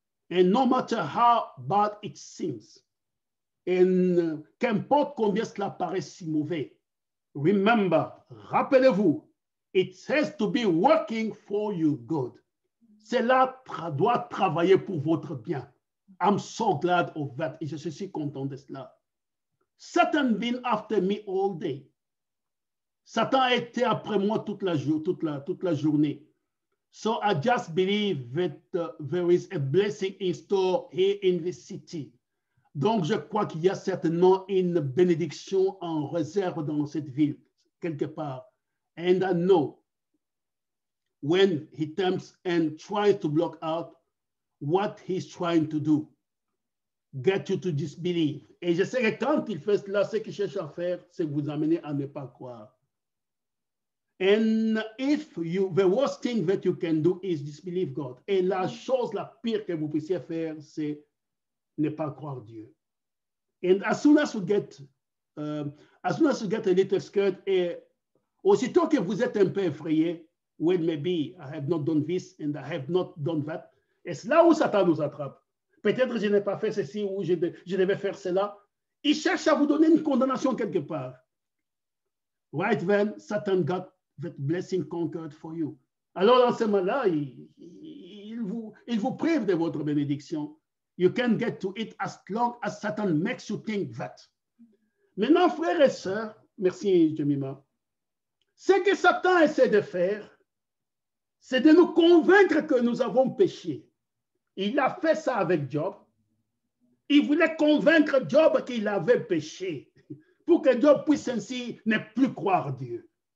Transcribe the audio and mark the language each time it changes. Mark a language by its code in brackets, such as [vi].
[en] And no matter how bad it seems, [fr] and qu'importe combien cela paraît si mauvais, [en] remember, [fr] rappelez-vous, [en] it says to be working for your good. [fr] Cela doit travailler pour votre bien. [en] I'm so glad of that. [fr] Et je suis si content de cela. [en] Satan been after me all day. [fr] Satan a été après moi toute la journée. [en] So I just believe that there is a blessing in store here in this city. [fr] Donc, je crois qu'il y a certainement une bénédiction en réserve dans cette ville, quelque part. [en] And I know when he attempts and tries to block out what he's trying to do, get you to disbelieve. [fr] Et je sais que quand il fait cela, ce qu'il cherche à faire, c'est vous amener à ne pas croire. [en] And if you, the worst thing that you can do is disbelieve God. [fr] Et la chose la pire que vous puissiez faire, c'est ne pas croire Dieu. [en] And as soon as you get a little scared, [fr] et aussitôt que vous êtes un peu effrayé, [en] well, maybe I have not done this and I have not done that. [fr] Et c'est là où Satan nous attrape. Peut-être je n'ai pas fait ceci ou je devais faire cela. Il cherche à vous donner une condamnation quelque part. [en] Right then, Satan got that blessing conquered for you. [fr] Alors, dans ce moment-là, il vous prive de votre bénédiction. [en] You can get to it as long as Satan makes you think that. [fr] Maintenant, frères et sœurs, merci, Jemima. Ce que Satan essaie de faire, c'est de nous convaincre que nous avons péché. Il a fait ça avec Job. Il voulait convaincre Job qu'il avait péché pour que Job puisse ainsi ne plus croire Dieu.